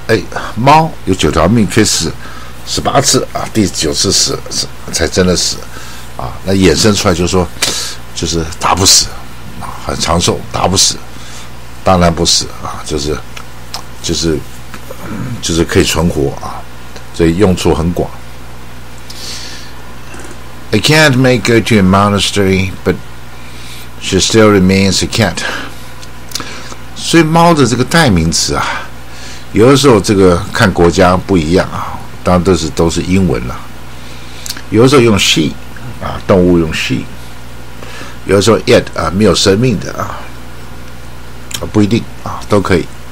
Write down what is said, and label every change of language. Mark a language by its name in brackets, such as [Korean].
[Chinese] 哎，猫有九条命，可以死18次啊，第九次死才真的死啊。那衍生出来就是说。就是打不死，很长寿，打不死，当然不死啊，就是可以存活啊，所以用处很广。 [English] A cat may go to a monastery, but she still remains a cat. [Chinese] 所以猫的这个代名词啊，有的时候这个看国家不一样啊，当然都是英文了、啊，有的时候用 she 啊，动物用 she。有的时候 yet 啊，没有生命的啊，不一定啊，都可以。